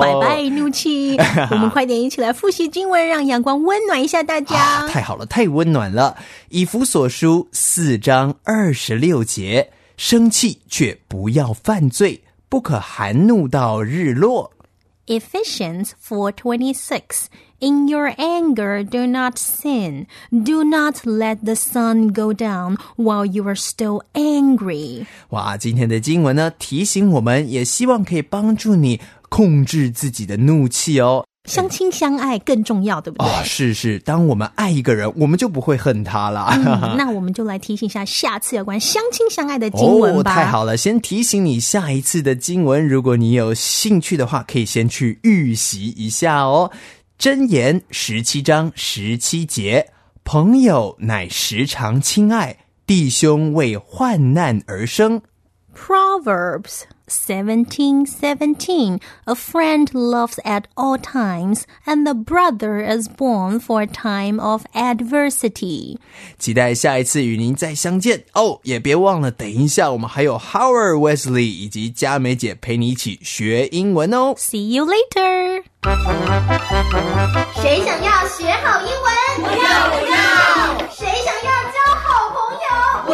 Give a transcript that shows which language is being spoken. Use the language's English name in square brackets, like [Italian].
[Chinese] 拜拜怒气。我们快点一起来复习经文，让阳光温暖一下大家。啊，太好了，太温暖了。以弗所书四章二十六节，生气却不要犯罪，不可含怒到日落。 [English] Ephesians 4:26, In your anger do not sin, do not let the sun go down while you are still angry. [Chinese] 哇，今天的经文呢提醒我们，也希望可以帮助你控制自己的怒气哦。相亲相爱更重要，对不对？哦，是是，当我们爱一个人，我们就不会恨他了。嗯，那我们就来提醒一下下次有关相亲相爱的经文吧。哦，太好了，先提醒你下一次的经文，如果你有兴趣的话可以先去预习一下哦。箴言十七章十七节，朋友乃时常亲爱，弟兄为患难而生。 [English] Proverbs 17:17, A friend loves at all times, and the brother is born for a time of adversity. [Chinese] 期待下一次与您再相见。哦，也别忘了等一下我们还有 Howard Wesley 以及佳美姐陪你一起学英文哦。 [English] See you later! [Chinese] 谁想要学好英文？我要，我要！谁想要交好朋友？